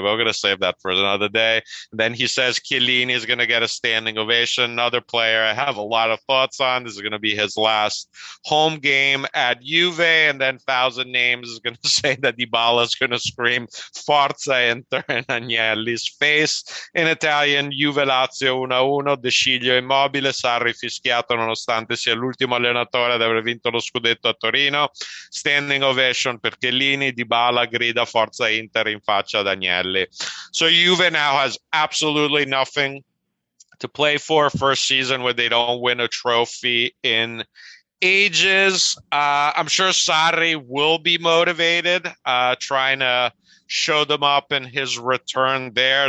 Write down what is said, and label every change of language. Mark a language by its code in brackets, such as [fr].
[en] We're going to save that for another day. And then he says Chiellini is going to get a standing ovation. Another player I have a lot of thoughts on. This is going to be his last home game at Juve, and then Thousand Names is going to say that Dybala is going to scream Forza Inter in Agnelli's face. In Italian, [it] Juve Lazio 1-1, De Sciglio Immobile, Sarri fischiato nonostante sia l'ultimo allenatore ad aver vinto lo scudetto a Torino, standing ovation per Chiellini, Dybala grida Forza Inter in faccia ad Agnelli. [en] So Juve now has absolutely nothing to play for, first season where they don't win a trophy in ages. I'm sure Sarri will be motivated, trying to show them up in his return there.